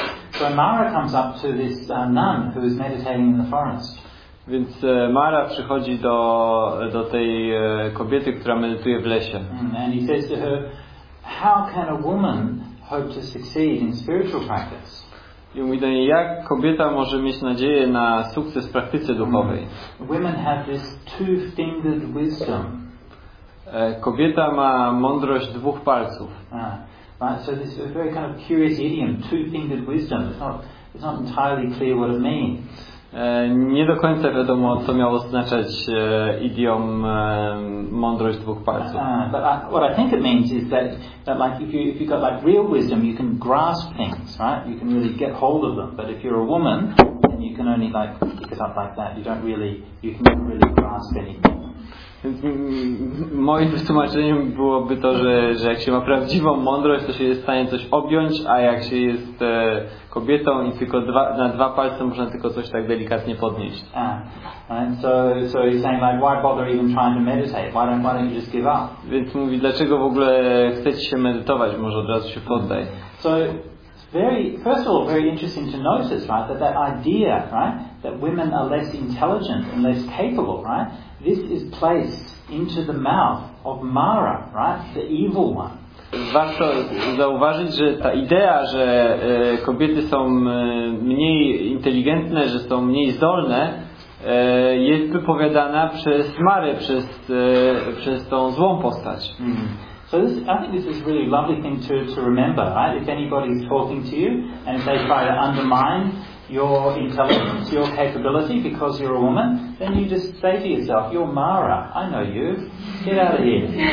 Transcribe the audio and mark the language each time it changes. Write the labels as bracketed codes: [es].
[en] So Mara comes up to this nun who is meditating in the forest. [pl] Więc Mara przychodzi do tej kobiety, która medytuje w lesie. [en] And he says to her, how can a woman hope to succeed in spiritual practice? [pl] I mówi do niej, jak kobieta może mieć nadzieję na sukces w praktyce duchowej? [en] Women have this two-fingered wisdom. [pl] Kobieta ma mądrość dwóch palców. [en] Right, so this is a very kind of curious idiom, two-fingered wisdom. It's not entirely clear what it means. [pl] Nie do końca wiadomo, co miało oznaczać idiom mądrość dwóch palców. [en] What I think it means is that like if you got like real wisdom, you can grasp things, right? You can really get hold of them. But if you're a woman, then you can only like pick it up like that. You can't really grasp anything. [pl] Więc moim wytłumaczeniem byłoby to, że jak się ma prawdziwą mądrość, to się jest w stanie coś objąć, a jak się jest kobietą i tylko na dwa palce można tylko coś tak delikatnie podnieść. [en] So he's saying like, why bother even trying to meditate? Why don't you just give up? [pl] Więc mówi, dlaczego w ogóle chcecie się medytować? Może od razu się poddaj. [en] So it's very, first of all, very interesting to notice, right, that idea, right, that women are less intelligent and less capable, right? This is placed into the mouth of Mara, right? The evil one. [pl] Warto zauważyć, że ta idea, że kobiety są mniej inteligentne, że są mniej zdolne, jest wypowiadana przez Marę, przez tą złą postać. [en] So I think this is a really lovely thing to remember, right? If anybody is talking to you and they try to undermine your intelligence, your capability, because you're a woman, then you just say to yourself, you're Mara, I know you, get out of here.